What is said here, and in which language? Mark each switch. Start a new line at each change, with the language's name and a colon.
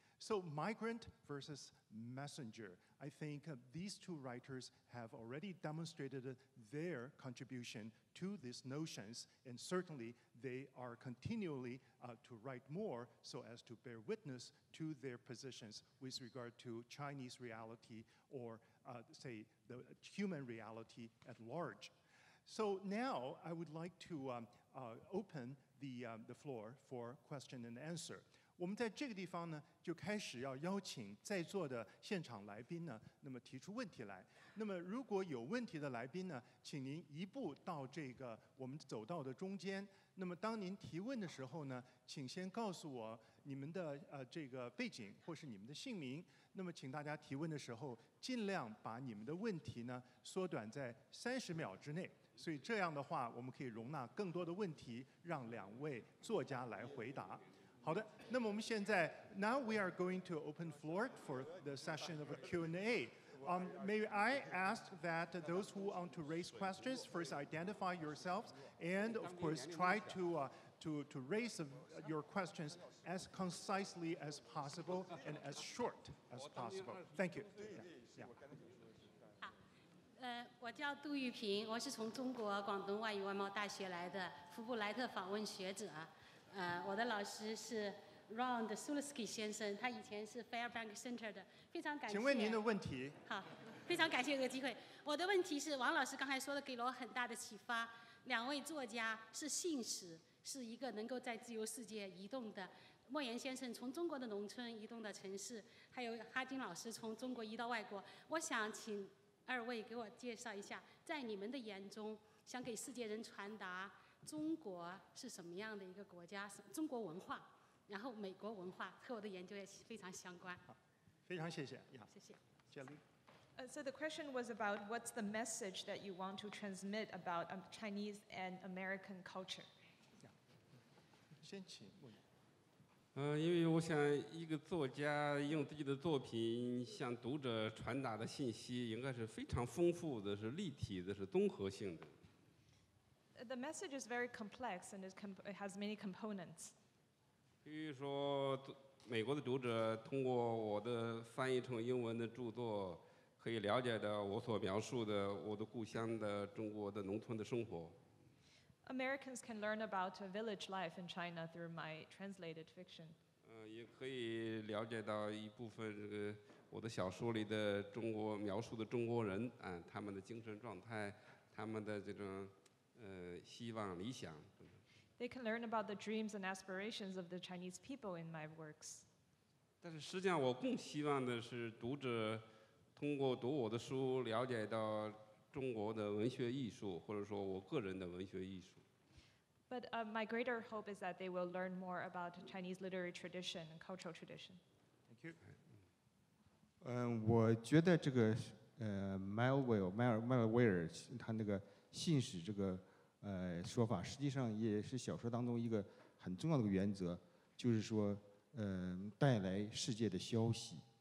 English: So migrant versus messenger. I think these two writers have already demonstrated their contribution to these notions, and certainly they are continually to write more so as to bear witness to their positions with regard to Chinese reality or say the human reality at large. So now I would like to open the floor for question and answer.
Chinese: 我们在这个地方呢就开始要邀请在座的现场来宾呢那么提出问题来。那么如果有问题的来宾呢，请您一步到这个我们走道的中间。那么当您提问的时候呢，请先告诉我你们的这个背景或是你们的姓名。那么请大家提问的时候尽量把你们的问题呢缩短在30秒之内。所以这样的话我们可以容纳更多的问题让两位作家来回答。好的，那么我们现在
English: now we are going to open floor for the session of a Q&A. May I ask that those who want to raise questions first identify yourselves and of course try to raise your questions as concisely as possible and as short as possible. Thank you. Yeah, yeah.
Chinese: 我叫杜玉平，我是从中国广东外语外贸大学来的福布莱特访问学者。我的老师是 Ron Sulisky 先生，他以前是 Fairbank Center 的，非常感谢。请问您的问题。好，非常感谢这个机会。我的问题是，王老师刚才说的给了我很大的启发。两位作家是信使，是一个能够在自由世界移动的。莫言先生从中国的农村移动到城市，还有哈金老师从中国移到外国。我想请二位给我介绍一下，在你们的眼中，想给世界人传达中国是什么样的一个国家，中国文化，然后美国文化和我的研究也非常相关。好，非常谢谢。
English: Yeah.
Chinese: 谢谢。 Jelly.
English: So the question was about what's the message that you want to transmit about Chinese and American culture? Yeah.
Chinese: 先请问。因为我想一个作家用自己的作品向读者传达的信息应该是非常丰富的，是立体的，是综合性的。
English: The message is very complex and it has many components.
Chinese: 比如说美国的读者通过我的翻译成英文的著作可以了解到我所描述的我的故乡的中国的农村的生活。
English: Americans can learn about a village life in China through my translated fiction.
Chinese: 也可以了解到一部分这个我的小说里的中国描述的中国人啊，他们的精神状态，他们的这种希望理想。
English: They can learn about the dreams and aspirations of the Chinese people in my works.
Chinese: 但是实际上，我更希望的是读者通过读我的书了解到中国的文学艺术，或者说我个人的文学艺术。
English: But my greater hope is that they will learn more about Chinese literary tradition and cultural tradition. Thank you.
Chinese: 我觉得这个Melville 他那个信使这个说法，实际上也是小说当中一个很重要的原则，就是说带来世界的消息。